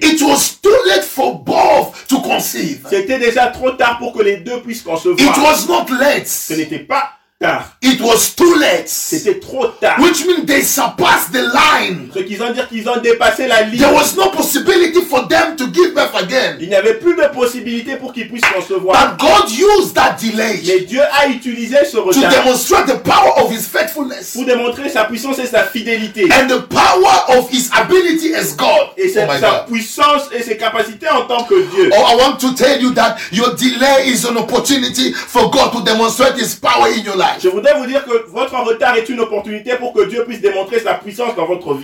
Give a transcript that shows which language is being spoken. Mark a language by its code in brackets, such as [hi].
[en] It was too late for both to conceive. [fr] C'était déjà trop tard pour que les deux puissent concevoir. [en] It was not late. [fr] Ce n'était pas tard. [en] It was too late. [fr] C'était trop tard. [en] Which means they surpassed the line. [fr] Ce qu'ils ont dit, qu'ils ont dépassé la ligne. [en] There was no possibility for them to give birth again. [fr] Il n'y avait plus de possibilité pour qu'ils puissent concevoir. [en] But God used that delay. [fr] Mais Dieu a utilisé ce retard. [en] To demonstrate the power of His faithfulness. [fr] Pour démontrer sa puissance et sa fidélité. [en] And the power of His ability as God. [fr] Et c'est sa puissance et ses capacités en tant que Dieu. [en] Oh, I want to tell you that your delay is an opportunity for God to demonstrate His power in your life. [fr] Je voudrais vous dire que votre retard est une opportunité pour que Dieu puisse démontrer sa puissance dans votre vie.